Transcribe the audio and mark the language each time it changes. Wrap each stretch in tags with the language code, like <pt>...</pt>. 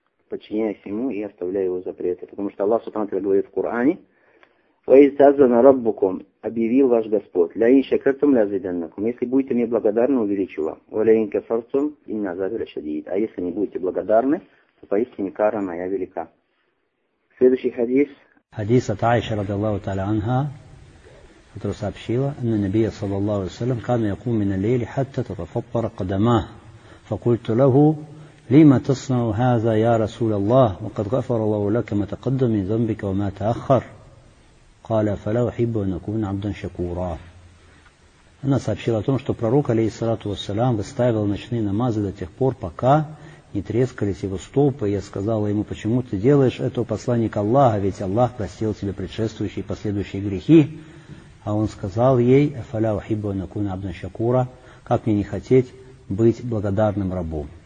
<ru>Подчиняясь ему и оставляя его запреты. Потому что Аллах субхана ва тааля говорит в Коране,</ru> <ar>«Ваистазана раббуком,</ar> <ru>объявил ваш Господь,</ru> <ar>ля инща картум ля зиданнакум,</ar> <ru>если будете мне благодарны, увеличу вам,</ru> <ar>ва ля инька фарцум, инна азабира шадид».</ar> <ru>А если не будете благодарны, то поистине кара моя велика. Следующий хадис. Хадис от Аиши радиаллаху тааля анха, который сообщила,</ru> <ar>«Анна набия саллаллаху ассалям, кана яку мина лейли хатта татафаппара кадамах, факульту лаху, لما تصنع هذا يا رسول الله وقد غفر الله لك ما تقدم من ذنبك وما تأخر قال فلا أحب أن أكون عبدا شكورا.</ar> <ru>Она сообщила о том, что пророк, алейхиссалату вассалям, выстаивал ночные намазы до тех пор, пока не трескались его стопы. Я сказала ему, почему ты делаешь это, посланник Аллаха, ведь Аллах простил тебе предшествующие и последующие грехи. А он сказал ей,</ru> <ar>فلا أحب أن أكون عبدا شكورا,</ar> <ru>как мне не хотеть быть благодарным рабом.</ru>